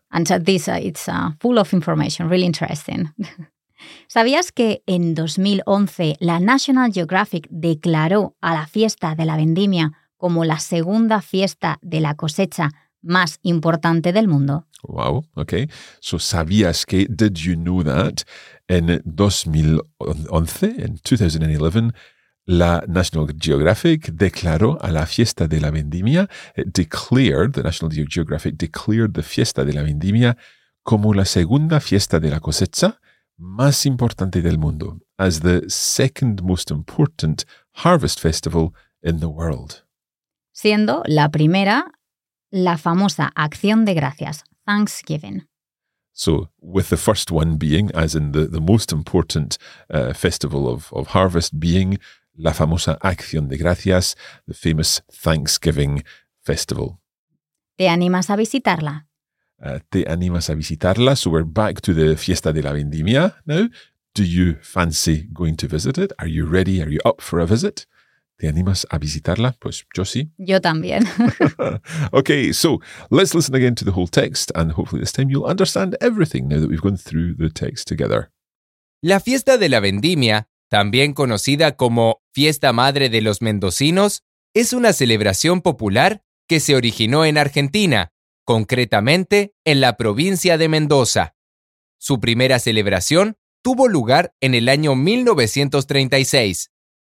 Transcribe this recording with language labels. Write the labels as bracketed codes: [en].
[en] And this, it's full of information, really interesting. [es] ¿Sabías que en 2011 la National Geographic declaró a la fiesta de la vendimia como la segunda fiesta de la cosecha más importante del mundo? [en] Wow, okay. So, [es] ¿sabías que, [en] did you know that, [es] en 2011, [en] in 2011, [es] la National Geographic declaró a la fiesta de la vendimia, [en] the National Geographic declared the fiesta de la vendimia [es] como la segunda fiesta de la cosecha más importante del mundo, [en] as the second most important harvest festival in the world. [es] Siendo la primera, la famosa Acción de Gracias, Thanksgiving. [en] So, with the first one being, as in the most important festival of harvest being, [es] la famosa Acción de Gracias, [en] the famous Thanksgiving festival. [es] ¿Te animas a visitarla? ¿Te animas a visitarla? [en] So we're back to the Fiesta de la Vendimia now. Do you fancy going to visit it? Are you ready? Are you up for a visit? [es] ¿Te animas a visitarla? Pues yo sí. Yo también. [en] Okay, so let's listen again to the whole text and hopefully this time you'll understand everything now that we've gone through the text together. [es] La Fiesta de la Vendimia, también conocida como Fiesta Madre de los Mendocinos, es una celebración popular que se originó en Argentina, concretamente en la provincia de Mendoza. Su primera celebración tuvo lugar en el año 1936.